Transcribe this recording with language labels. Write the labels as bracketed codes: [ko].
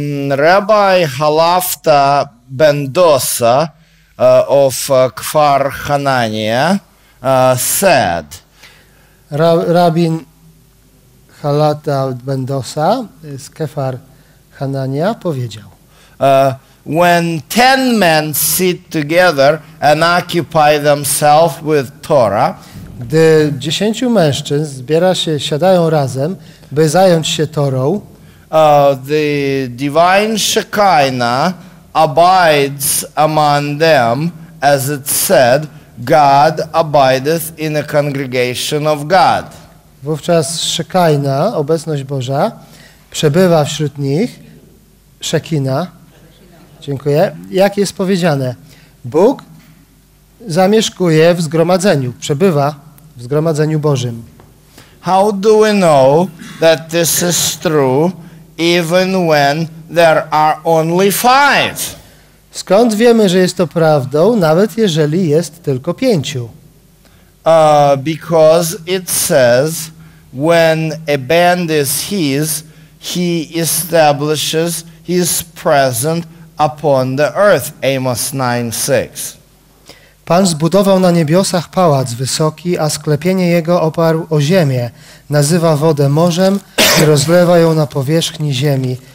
[en] Rabbi Halafta ben Dosa of Kfar Hanania said. [pl] Rabin Halata ben Dosa z Kfar Hanania powiedział. [en] When 10 men sit together and occupy themselves with Torah, [pl] gdy 10 mężczyzn zbiera się, siadają razem, by zająć się Torą, [en] the divine Shekinah abides among them, as it said, God abideth in a congregation of God. [pl] Wówczas Szekajna, obecność Boża, przebywa wśród nich, Szekina, dziękuję, jak jest powiedziane, Bóg zamieszkuje w zgromadzeniu, przebywa w zgromadzeniu Bożym. [en] How do we know that this is true even when there are only five? [pl] Skąd wiemy, że jest to prawdą, nawet jeżeli jest tylko 5? [en] Because it says when a band is his, he establishes his presence upon the earth. Amos 9:6. [pl] Pan zbudował na niebiosach pałac wysoki, a sklepienie jego oparł o ziemię. Nazywa wodę morzem i rozlewa ją na powierzchni ziemi.